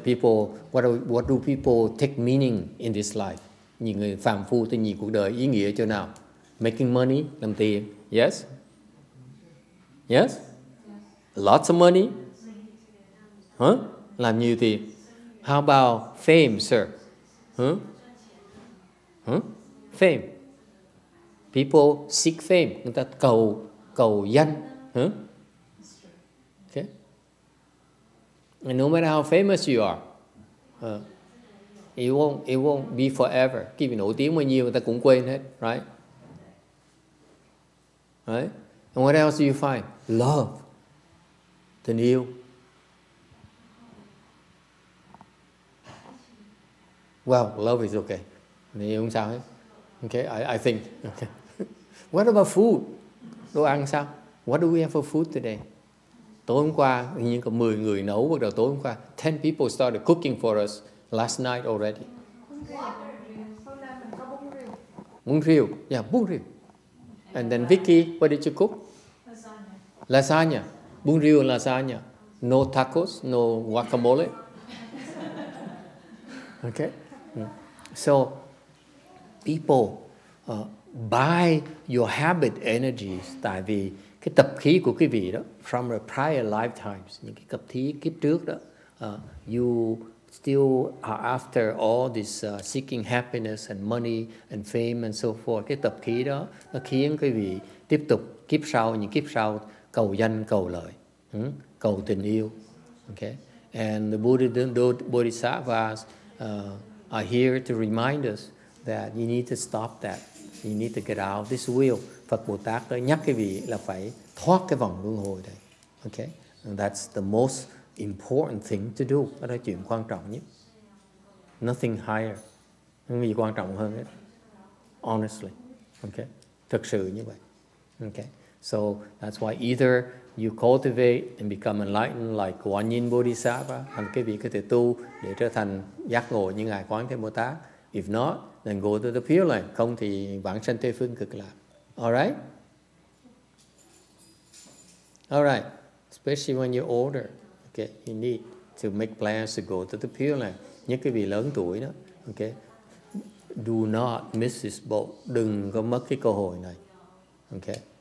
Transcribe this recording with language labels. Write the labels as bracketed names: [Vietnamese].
[English] What do people take meaning in this life? [Vietnamese] Những người phàm phu tôi nhìn cuộc đời ý nghĩa chỗ nào? [English] Making money, [Vietnamese] làm tiền. [English] Yes? Yes? Lots of money? Huh? [Vietnamese] Làm nhiều tiền. [English] How about fame, sir? Huh? Fame. People seek fame. [Vietnamese] Người ta cầu danh. Huh? [English] And no matter how famous you are, it won't be forever. [Vietnamese] Khi mình nổi tiếng bao nhiêu, người ta cũng quên hết, right? [English] Right? And what else do you find? Love. Tình yêu. Well, love is okay. [Vietnamese] Tình yêu không sao hết. [English] Okay, I think. Okay. What about food? [Vietnamese] Đồ ăn sao? [English] What do we have for food today? [Vietnamese] Tối hôm qua, như có 10 người nấu bắt đầu tối hôm qua. [English] 10 people started cooking for us last night already. Bún riêu. Yeah, bún riêu. And then Vicky, what did you cook? Lasagna. Bún riêu and lasagna. No tacos, no guacamole. Okay. So, people, buy your habit energies. [Vietnamese] Tại vì cái tập khí của quý vị đó, [English] from a prior lifetimes, [Vietnamese] những cái tập khí kiếp trước đó, [English] you still are after all this seeking happiness and money and fame and so forth. [Vietnamese] Cái tập khí đó, nó khiến quý vị tiếp tục kiếp sau, những kiếp sau, cầu danh, cầu lợi, cầu tình yêu. [English] Okay? And the Bodhisattvas are here to remind us that you need to stop that. You need to get out of this wheel. [Vietnamese] Phật Bồ Tát đã nhắc quý vị là phải thoát cái vòng luân hồi này. [English] Okay? And that's the most important thing to do. [Vietnamese] Đó là chuyện quan trọng nhất. [English] Nothing higher. [Vietnamese] Không gì quan trọng hơn hết. Honestly. Okay? Thực sự như vậy. Okay? [English] So that's why either you cultivate and become enlightened like Quan Yin Bodhisattva, and [Vietnamese] quý vị có thể tu để trở thành giác ngộ như Ngài Quán Thế Bồ Tát. [English] If not, then go to the pure land. [Vietnamese] Không thì vãng sanh Tây Phương Cực Lạc. [English] All right. Especially when you're older, okay, you need. to make plans to go to the Pure Land. [Vietnamese] Những cái vị lớn tuổi đó, okay, [English] do not miss this boat. [Vietnamese] Đừng có mất cái cơ hội này, okay.